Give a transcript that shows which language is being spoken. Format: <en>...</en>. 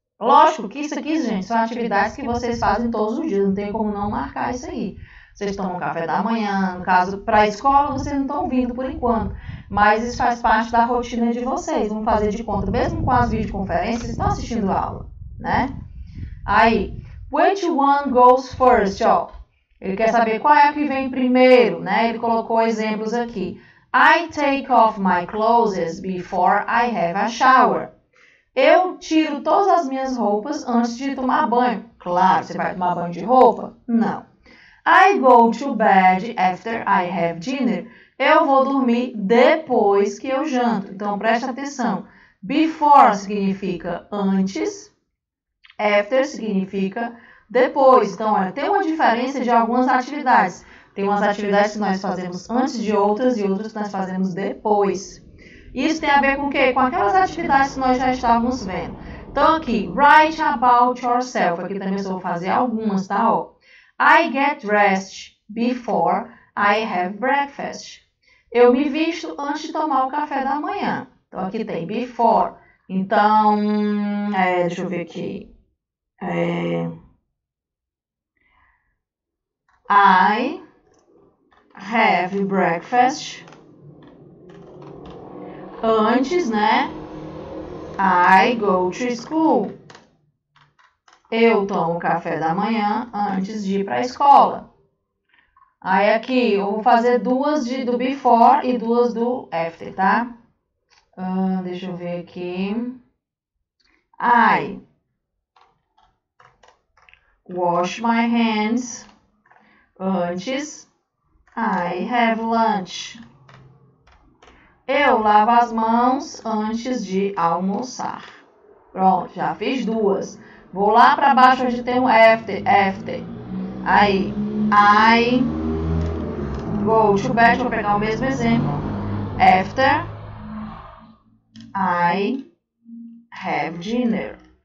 <pt>Lógico que isso aqui, gente, são atividades que vocês fazem todos os dias. Não tem como não marcar isso aí. Vocês tomam café da manhã, no caso, para a escola, vocês não estão vindo por enquanto. Mas isso faz parte da rotina de vocês. Vão fazer de conta, mesmo com as videoconferências, estão assistindo aula, né?</pt> <en>Aí, which one goes first, ó.</en> <pt>Ele quer saber qual é que vem primeiro, né? Ele colocou exemplos aqui.</pt> <en>I take off my clothes before I have a shower.</en> <pt>Eu tiro todas as minhas roupas antes de tomar banho. Claro, você vai tomar banho de roupa? Não.</pt> <en>I go to bed after I have dinner.</en> <pt>Eu vou dormir depois que eu janto. Então, preste atenção. Before significa antes. After significa depois. Então, olha, tem uma diferença de algumas atividades. Tem umas atividades que nós fazemos antes de outras e outras que nós fazemos depois. Isso tem a ver com o quê? Com aquelas atividades que nós já estávamos vendo. Então, aqui,</pt> <en>write about yourself.</en> <pt>Aqui também eu vou fazer algumas, tá? Ó.</pt> <en>I get dressed before I have breakfast.</en> <pt>Eu me visto antes de tomar o café da manhã. Então, aqui tem before. Então, deixa eu ver aqui.</pt> <en>I have breakfast antes, né? I go to school.</en> <pt>Eu tomo café da manhã antes de ir para a escola. Aí aqui, eu vou fazer duas do before e duas do after, tá? Deixa eu ver aqui.</pt> <en>I wash my hands antes I have lunch.</en> <pt>Eu lavo as mãos antes de almoçar. Pronto, já fiz duas. Vou lá para baixo, onde tem um after.</pt> <en>Aí, I go to bed.</en> <pt>Vou pegar o mesmo exemplo.</pt> <en>After I have dinner.</en>